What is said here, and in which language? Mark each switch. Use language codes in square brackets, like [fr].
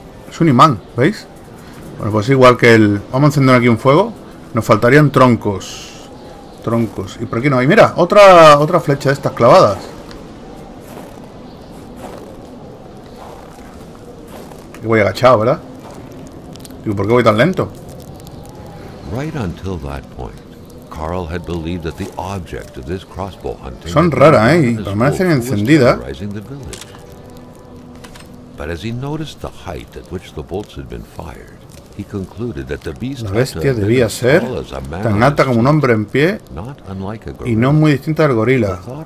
[es] Es un imán, ¿veis? Bueno, pues igual que el... Vamos a encender aquí un fuego. Nos faltarían troncos. Troncos. Y por aquí no hay. Mira, otra flecha de estas clavadas. Y voy agachado, ¿verdad? Digo, ¿por qué voy tan lento? [en] Right until that point, Carl had believed that the object of this crossbow hunting. [es] Son rara, ¿eh? Permanecen encendidas. [en] But as he noticed the height at which the bolts had been fired, he concluded that the beast [es] la bestia debía ser tan alta como un hombre en pie y no muy distinta al gorila.